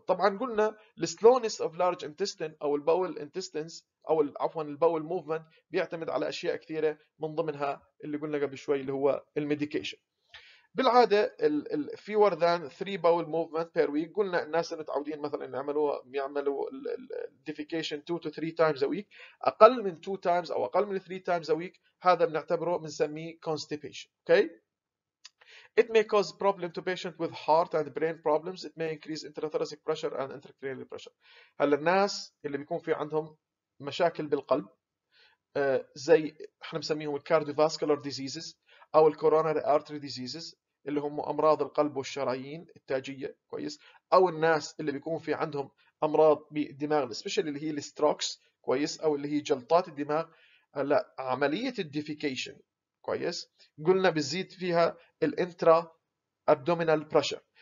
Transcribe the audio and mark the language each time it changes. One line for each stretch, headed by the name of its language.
Arabic: طبعا قلنا
English: السلونس of large intestine او البول انتستنز
Arabic: او عفوا
English: البول موفمنت
Arabic: بيعتمد على اشياء كثيره، من ضمنها اللي قلنا قبل شوي اللي هو الميديكيشن.
English: بالعاده fewer than 3 bowel movement per week,
Arabic: قلنا الناس اللي متعودين مثلا يعملوا
English: الديفيكيشن 2 to 3 times a week,
Arabic: اقل من
English: 2 times
Arabic: او اقل من
English: 3 times a week
Arabic: هذا بنعتبره بنسميه
English: Constipation. Okay, it may cause problem to patient with heart and brain problems, it may increase intrathoracic pressure and intracranial pressure.
Arabic: هلا الناس اللي بيكون في عندهم مشاكل بالقلب زي احنا بنسميهم
English: الكارديوفاسكولار ديزيزز
Arabic: او
English: الكورونري artery diseases
Arabic: اللي هم امراض القلب والشرايين التاجيه، كويس، او الناس اللي بيكون في عندهم امراض بالدماغ سبيشالي اللي هي الستروكس، كويس، او اللي هي جلطات الدماغ، هلا عمليه الديفيكيشن كويس قلنا بزيد فيها
English: الانترا abdominal pressure.